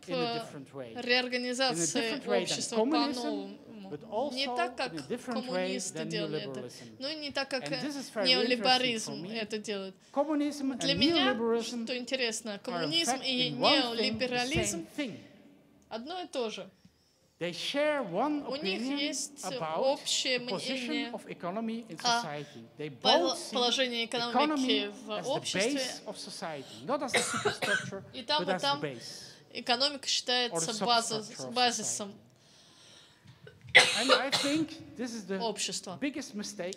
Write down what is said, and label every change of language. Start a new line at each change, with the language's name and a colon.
Russian: реорганизации общества по-новому. Не так, как коммунисты делали это, но не так, как неолиберализм это делает. Для меня, что интересно, коммунизм и неолиберализм одно и то же.
English: They share one opinion about the position of economy in society. They both see economy as the base of society, not as the superstructure, but as the base.
Russian: Экономика считается базисом.
English: And I think this is the biggest mistake.